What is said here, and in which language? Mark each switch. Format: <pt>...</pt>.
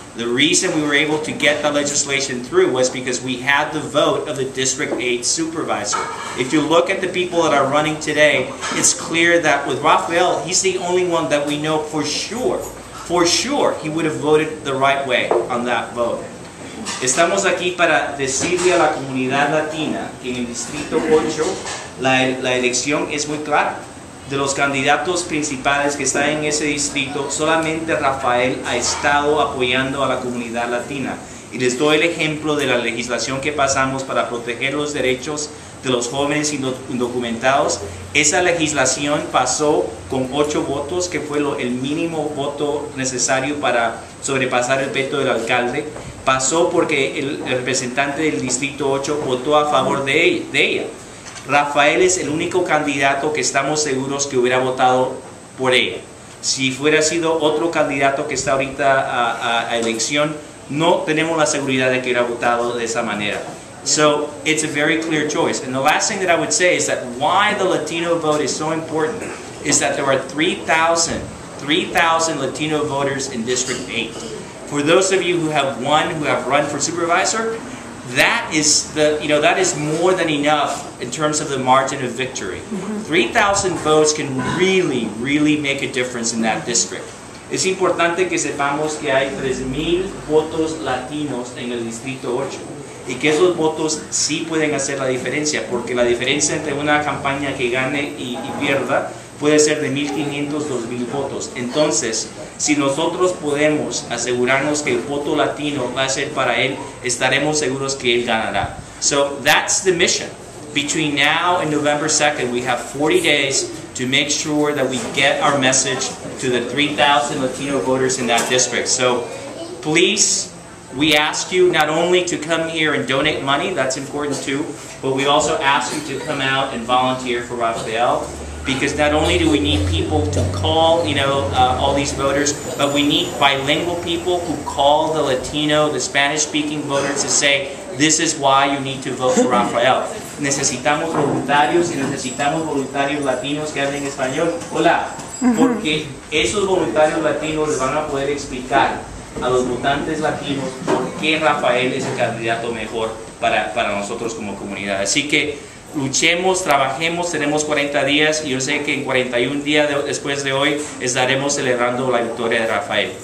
<en>The reason we were able to get the legislation through was because we had the vote of the District 8 supervisor. If you look at the people that are running today, it's clear that with Rafael, he's the only one that we know for sure, he would have voted the right way on that vote.</en> <es>Estamos aquí para decirle a la comunidad latina que en el Distrito 8 la elección es muy clara. De los candidatos principales que están en ese distrito, solamente Rafael ha estado apoyando a la comunidad latina. Y les doy el ejemplo de la legislación que pasamos para proteger los derechos de los jóvenes indocumentados. Esa legislación pasó con 8 votos, que fue el mínimo voto necesario para sobrepasar el veto del alcalde. Pasó porque el representante del Distrito 8 votó a favor de ella. Rafael es el único candidato que estamos seguros que hubiera votado por ella. Si fuera sido otro candidato que está ahorita a elección, no tenemos la seguridad de que hubiera votado de esa manera.</es> <en>So, it's a very clear choice. And the last thing that I would say is that why the Latino vote is so important is that there are 3,000 Latino voters in District 8. For those of you who have won, who have run for supervisor, that is that is more than enough in terms of the margin of victory. Mm-hmm. 3,000 votes can really, really make a difference in that district.</en> <es>Es importante que sepamos que hay 3,000 votos latinos en el Distrito 8 y que esos votos sí pueden hacer la diferencia, porque la diferencia entre una campaña que gane y pierda puede ser de 1,500, 2,000 votos. Entonces, si nosotros podemos asegurarnos que el voto latino va a ser para él, estaremos seguros que él ganará.</es> <en>So, that's the mission. Between now and November 2nd, we have 40 days to make sure that we get our message to the 3,000 Latino voters in that district. So, please, we ask you not only to come here and donate money, that's important too, but we also ask you to come out and volunteer for Rafael. Because not only do we need people to call, all these voters, but we need bilingual people who call the Latino, the Spanish-speaking voters to say, this is why you need to vote for Rafael.</en> <es>Necesitamos voluntarios y necesitamos voluntarios latinos que hablen español. Hola. Porque esos voluntarios latinos les van a poder explicar a los votantes latinos por qué Rafael es el candidato mejor para nosotros como comunidad. Así que, luchemos, trabajemos, tenemos 40 días y yo sé que en 41 días después de hoy estaremos celebrando la victoria de Rafael.</es>